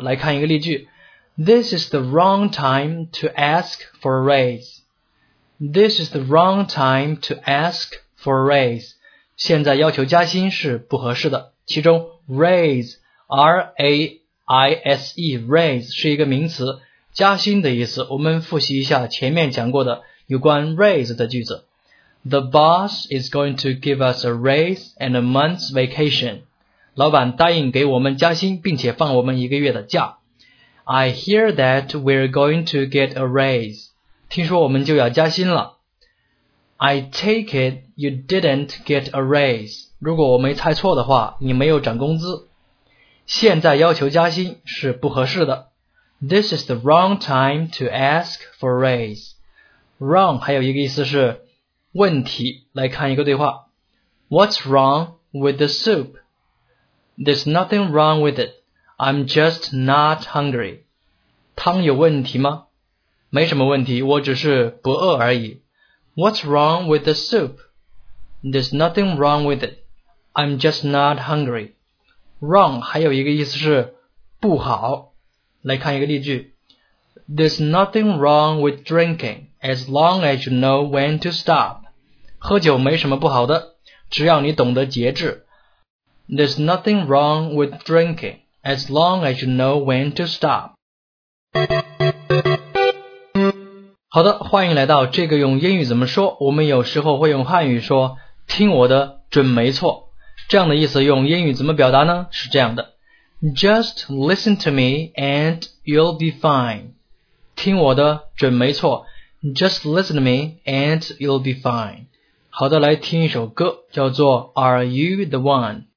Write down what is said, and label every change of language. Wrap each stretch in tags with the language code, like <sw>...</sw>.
<en>来看一个例句 This is the wrong time to ask for a raise. This is the wrong time to ask for a raise.</en> <zh>现在要求加薪是不合适的。其中 raise, R-A-I-S-E, raise 是一个名词，加薪的意思。我们复习一下前面讲过的有关 raise 的句子。</zh> <en>The boss is going to give us a raise and a month's vacation.</en> <zh>老板答应给我们加薪并且放我们一个月的假。</zh> <en>I hear that we're going to get a raise.</en> <zh>听说我们就要加薪了。</zh> <en>I take it you didn't get a raise.</en> <zh>如果我没猜错的话，你没有涨工资。现在要求加薪是不合适的。</zh> <en>This is the wrong time to ask for a raise.</en> <zh>Wrong 还有一个意思是问题。来看一个对话。</zh> <en>What's wrong with the soup? There's nothing wrong with it. I'm just not hungry. 汤有问题吗？</en> <zh>没什么问题，我只是不饿而已。</zh> <en>What's wrong with the soup? There's nothing wrong with it.</en> <zh>I'm just not hungry. Wrong 还有一个意思是不好。来看一个例句。</zh> <en>There's nothing wrong with drinking as long as you know when to stop.</en> <zh>喝酒没什么不好的，只要你懂得节制。</zh> <en>There's nothing wrong with drinking as long as you know when to stop.</en> <zh>好的欢迎来到这个用英语怎么说我们有时候会用汉语说听我的准没错这样的意思用英语怎么表达呢是这样的 Just listen to me and you'll be fine 听我的准没错 Just listen to me and you'll be fine 好的来听一首歌叫做 Are you the one?</zh>